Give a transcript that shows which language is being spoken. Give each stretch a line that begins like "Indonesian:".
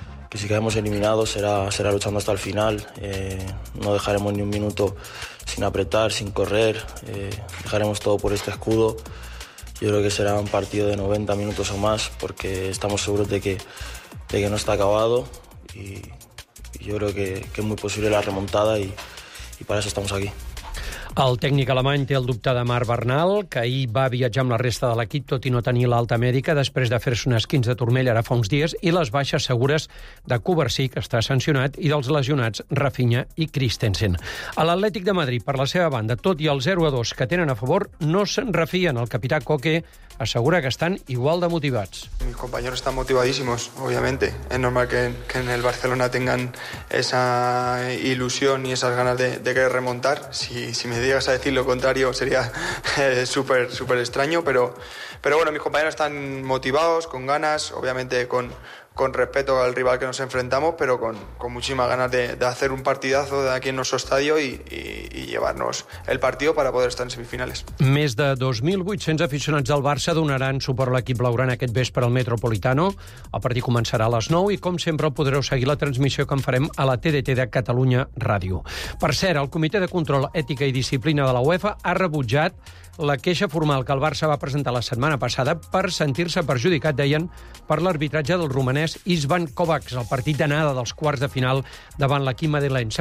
Spanish: que si quedamos eliminados será luchando hasta el final. No dejaremos ni un minuto sin apretar, sin correr. Dejaremos todo por este escudo. Yo creo que será un partido de 90 minutos o más, porque estamos seguros de que no está acabado. Y yo creo que es muy posible la remontada y para eso estamos aquí.
Catalan: El tècnic alemany té el dubte de Marc Bernal, que ahir va viatjar amb la resta de l'equip, tot i no tenir l'alta mèdica, després de fer-se un esquinç de turmell ara fa uns dies, i les baixes segures de Cubarsí, que està sancionat, i dels lesionats Rafinha i Christensen. A l'Atlètic de Madrid, per la seva banda, tot i el 0-2 que tenen a favor, no se'n refien. El capità Coque assegura que estan igual de motivats.
Spanish: Mis compañeros están motivadísimos, obviamente. Es normal que en el Barcelona tengan esa ilusión y esas ganas de querer remontar. Si me digas a decir lo contrario, sería súper, súper extraño. Pero bueno, mis compañeros están motivados, con ganas, obviamente con respeto al rival que nos enfrentamos, pero con muchísimas ganas de hacer un partidazo de aquí en nuestro estadio y llevarnos el partido para poder estar en semifinales.
Catalan: Més de 2.800 aficionats del Barça donaran suport a l'equip blaugrana aquest vespre al Metropolitano. El partit començarà a les 9 i, com sempre, podreu seguir la transmissió que en farem a la TDT de Catalunya Ràdio. Per cert, el Comitè de Control, Ètica i Disciplina de la UEFA ha rebutjat la queixa formal que el Barça va presentar la setmana passada per sentir-se perjudicat, deien, per l'arbitratge del romanès Ivan Kovac al partit d'anada dels quarts de final davant l'equip madrileny.